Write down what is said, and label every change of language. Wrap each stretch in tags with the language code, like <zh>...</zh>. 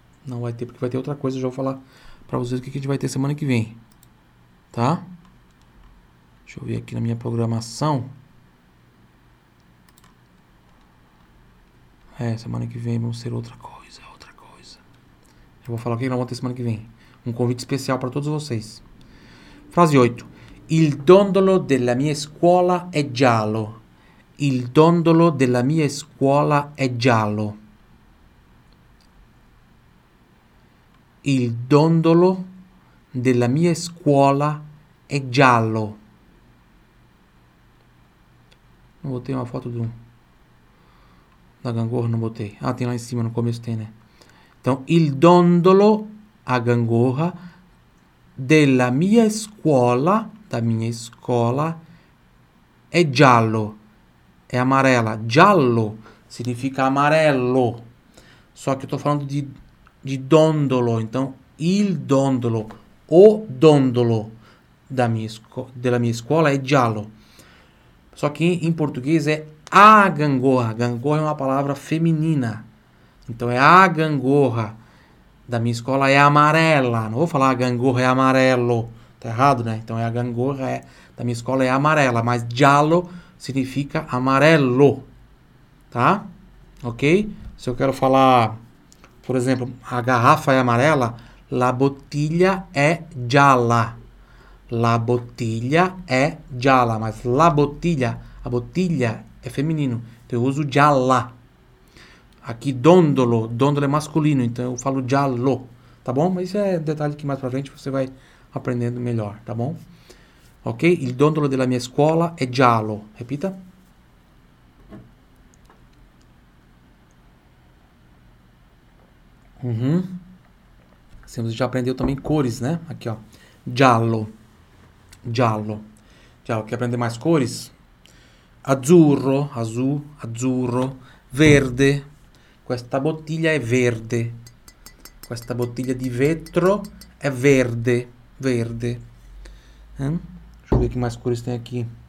<pt>Não vai ter, porque vai ter outra coisa. Eu já vou falar para vocês o que a gente vai ter semana que vem. Tá? Deixa eu ver aqui na minha programação. É, semana que vem vamos ser outra coisa, outra coisa. Eu vou falar o que nós vamos ter semana que vem. Um convite especial para todos vocês. Frase 8.</pt> <it>Il dondolo della mia scuola è giallo. Il dondolo della mia scuola è giallo. Il dondolo della mia scuola è giallo. Non botei una foto di un.</it> <pt>Da gangorra não botei. Ah, tem lá em cima, no começo tem, né? Então,</pt> <it>il dondolo,</it> <pt>a gangorra,</pt> <it>della mia scuola,</it> <pt>da minha escola,</pt> <it>è giallo.</it> <pt>È amarela. Giallo significa amarelo. Só que eu tô falando de dondolo. Então,</pt> <it>il dondolo,</it> <pt>o dondolo</pt> <it>della mia scuola è giallo.</it> <pt>Só que em português é a gangorra. Gangorra é uma palavra feminina. Então é a gangorra da minha escola é amarela. Não vou falar a gangorra é amarelo. Tá errado, né? Então é a gangorra da minha escola é amarela. Mas giallo significa amarelo. Tá? Ok? Se eu quero falar, por exemplo, a garrafa é amarela,</pt> <it>la bottiglia è gialla. La bottiglia è gialla.</it> <pt>Mas la bottiglia, a bottiglia é feminino, então eu uso giallo. Aqui dondolo, dondolo é masculino, então eu falo giallo, tá bom? Mas isso é detalhe que mais pra frente você vai aprendendo melhor, tá bom? Ok?</pt> <it>Il dondolo della mia scuola è giallo.</it> <pt>Repita. Temos já aprendeu também cores, né?</pt> <it>Aqui, ó. Giallo. Giallo. Giallo.</it> <pt>Quer aprender mais cores?</pt> <it>Azzurro, azul, azzurro, verde. Questa bottiglia è verde. Questa bottiglia di vetro è verde, verde.</it> <pt>Deixa eu ver che mais cores tem aqui.</pt>